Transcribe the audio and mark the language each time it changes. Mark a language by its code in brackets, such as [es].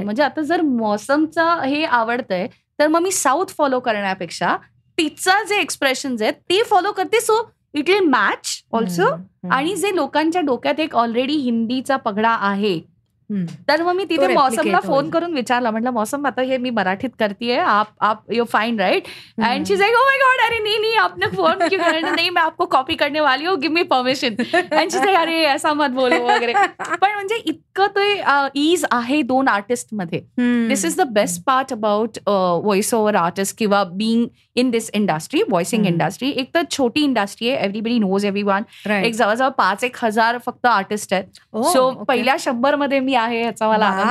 [mr] म्हणजे आता जर मौसमचं हे आवडतंय तर मग मी साऊथ फॉलो करण्यापेक्षा तिचा जे एक्सप्रेशन्स आहेत ते फॉलो करते. [en] So it will match also. [mr] आणि जे लोकांच्या डोक्यात एक ऑलरेडी हिंदीचा पगडा आहे तर मग मी तिथे मौसमला फोन करून विचारला, म्हटलं मौसम आता हे मी मराठीत करतीये, आप [en] You fine right? And she is like oh my God, [hi] अरे नहीं नहीं आपने फोन किया, नहीं मैं आपको कॉपी करने वाली हूँ, [en] Give me permission. And she is like [hi] अरे ऐसा मत बोलो वगैरे. [mr] पण म्हणजे इतकं ते ईज आहे दोन आर्टिस्ट मध्ये. [en] this is the best part about voice over artist [mr] किंवा [en] Being in this industry, voicing industry. [mr] एक तर छोटी इंडस्ट्री आहे, [en] Everybody knows everyone. [mr] एक जवळजवळ 5,000-1,000 फक्त आर्टिस्ट आहेत. सो पहिल्या 100 मध्ये मी आहे याचा मला